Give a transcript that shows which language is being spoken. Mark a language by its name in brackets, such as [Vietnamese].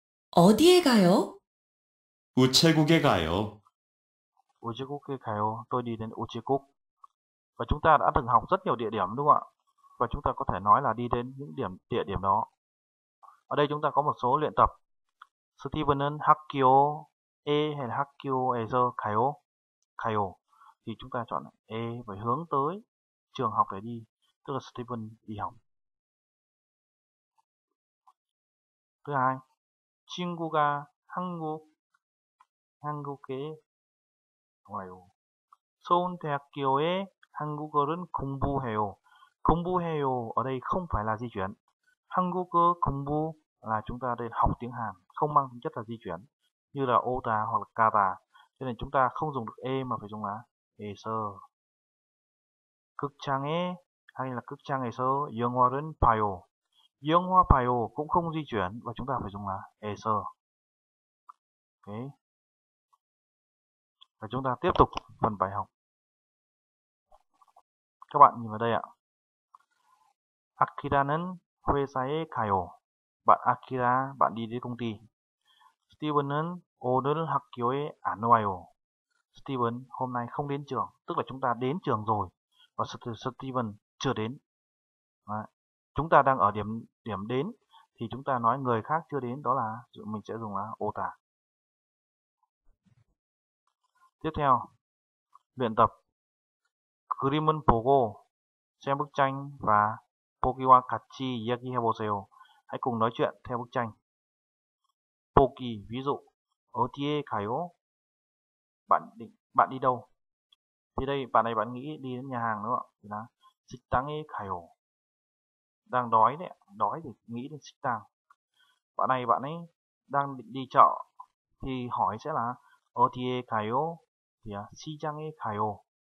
[Korean] 어디에 가요? 우체국에 가요. 우체국에 가요. [Vietnamese] Tôi đi đến 우체국. Và chúng ta đã từng học rất nhiều địa điểm đúng không ạ? Và chúng ta có thể nói là đi đến những điểm địa điểm đó. Ở đây chúng ta có một số luyện tập. [Korean] Steven은 학교 에 [Vietnamese] hay [Korean] 학교에서 가요? 가요. [Vietnamese] Thì chúng ta chọn e và hướng tới trường học để đi, tức là Steven đi học. Thứ hai, [Korean] 친구가 한국에 와요. 서울대학교에 한국어를 공부해요. [Vietnamese] 공부해요 ở đây không phải là di chuyển. 한국어 공부 là chúng ta đây học tiếng Hàn, không mang tính chất là di chuyển như là ota hoặc là kata. Cho nên chúng ta không dùng được e mà phải dùng là 에서. [Korean] 극장에 [Vietnamese] hay là [Korean] 극장에서 영화를 봐요. 영화 봐요 [Vietnamese] cũng không di chuyển và chúng ta phải dùng là 에서. Ok. Và chúng ta tiếp tục phần bài học. Các bạn nhìn vào đây ạ. [Korean] Akira는 회사에 가요. [Vietnamese] Bạn Akira, bạn đi đến công ty. [Korean] Steven은 오늘 학교에 안 와요. [Vietnamese] Steven hôm nay không đến trường, tức là chúng ta đến trường rồi và Steven chưa đến. Đấy. Chúng ta đang ở điểm điểm đến thì chúng ta nói người khác chưa đến, đó là mình sẽ dùng là ota. Tiếp theo, luyện tập. [Korean] 그림은 보고, [Vietnamese] xem bức tranh và [Korean] 보기와 같이 이야기해 보세요. [Vietnamese] Hãy cùng nói chuyện theo bức tranh. [Korean] 보기, [Vietnamese] ví dụ, [Korean] 어디에 가요? [Vietnamese] Bạn đi đâu? Thì đây, bạn này bạn nghĩ đi đến nhà hàng đúng không ạ? [Korean] 식당에 가요. [Vietnamese] Đang đói đấy, đói thì nghĩ đến 식당. Bạn này bạn ấy đang định đi chợ thì hỏi sẽ là [Korean] 어디에 가요? [Vietnamese] Thì [Korean] 시장에 가요.